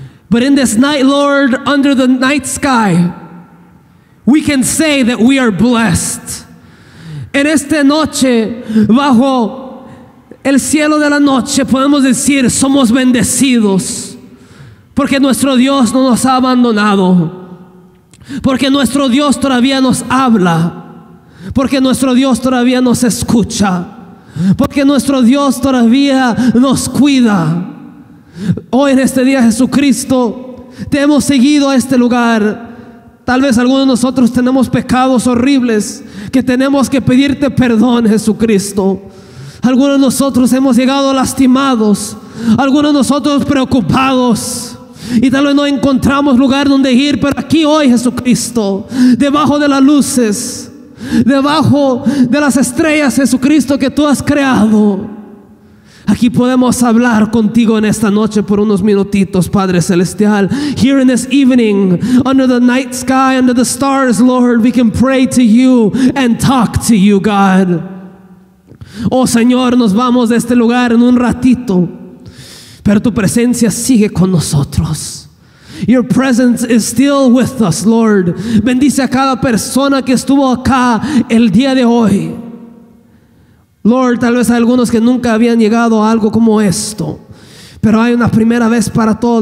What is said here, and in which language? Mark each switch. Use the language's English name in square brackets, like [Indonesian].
[English] But in this night, Lord, under the night sky, we can say that we are blessed. [Spanish] En esta noche, bajo el cielo de la noche, podemos decir, somos bendecidos. Porque nuestro Dios no nos ha abandonado. Porque nuestro Dios todavía nos habla. Porque nuestro Dios todavía nos escucha. Porque nuestro Dios todavía nos cuida. Hoy en este día, Jesucristo, te hemos seguido a este lugar. Tal vez algunos de nosotros tenemos pecados horribles que tenemos que pedirte perdón, Jesucristo. Algunos de nosotros hemos llegado lastimados, algunos de nosotros preocupados, y tal vez no encontramos lugar donde ir, pero aquí hoy, Jesucristo, debajo de las luces, debajo de las estrellas, Jesucristo, que tú has creado, aquí podemos hablar contigo en esta noche por unos minutitos, Padre Celestial. [English] Here in this evening, under the night sky, under the stars, Lord, we can pray to you and talk to you, God. [Spanish] Oh Señor, nos vamos de este lugar en un ratito, pero tu presencia sigue con nosotros. [English] Your presence is still with us, Lord. [Spanish] Bendice a cada persona que estuvo acá el día de hoy. Lord, tal vez hay algunos que nunca habían llegado a algo como esto, pero hay una primera vez para todo.